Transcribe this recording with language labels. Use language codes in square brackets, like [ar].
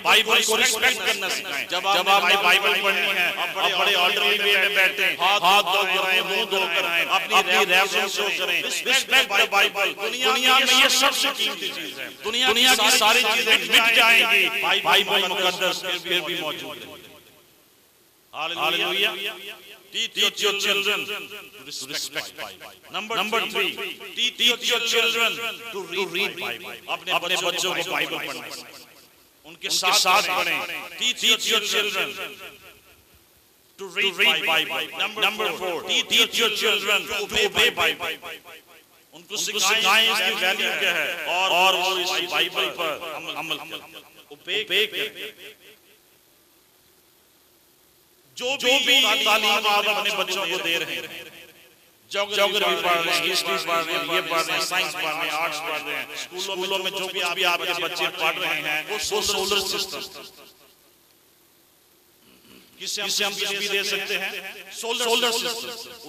[hi] Bible को respect करना सिखाएं। जब आप बाइबल पढ़नी है, आप बड़े ऑर्डरली वे में बैठे, हाथ धो कर आए, मुंह धो कर आए, अपनी रेवरेंस शो करें। [en] Respect the Bible. [hi] दुनिया में ये सबसे कीमती चीज है। दुनिया की सारी चीजें मिट जाएंगी, बाइबल मुकद्दस फिर भी मौजूद है। Hallelujah. [en] teach your children to respect Bible. Number three, teach your children to read Bible. [hi] अपने बच्चों को Bible पढ़ना सिखाएं, उनके साथ पढ़ें. [en] Teach your children to read Bible. Number four, teach your children to obey Bible. [hi] उनको सिखाएं इसकी value क्या है और वो इस Bible पर अमल करें. Obey करें. जो भी तालीम आप अपने बच्चों को दे रहे हैं, ज्योग्राफी पढ़ रहे हैं, हिस्ट्री पढ़ रहे हैं, ये पढ़ रहे हैं, साइंस पढ़ रहे हैं, आर्ट्स पढ़ रहे हैं, स्कूलों में जो भी आप आपके बच्चे पढ़ रहे हैं, वो सोलर सिस्टम किसे हम कुछ भी दे सकते हैं, सोलर सिस्टम.